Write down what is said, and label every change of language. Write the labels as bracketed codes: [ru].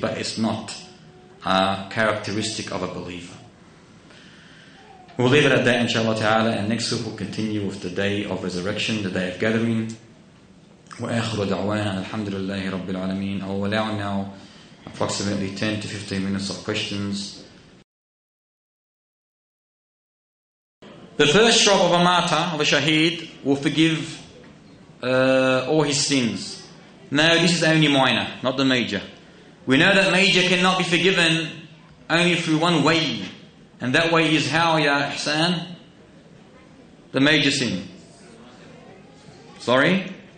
[en] But it's not a characteristic of a believer. We'll leave it at that inshallah ta'ala, and next week we'll continue with the day of resurrection, the day of gathering. [ar] وآخر دعوانا الحمد لله رب العالمين. [en] I will allow now approximately 10 to 15 minutes of questions. The first drop of a martyr, of a shaheed, will forgive all his sins. Now, this is only minor, not the major. We know that major cannot be forgiven only through one way, and that way is how, ya ihsan? The major sin. Sorry?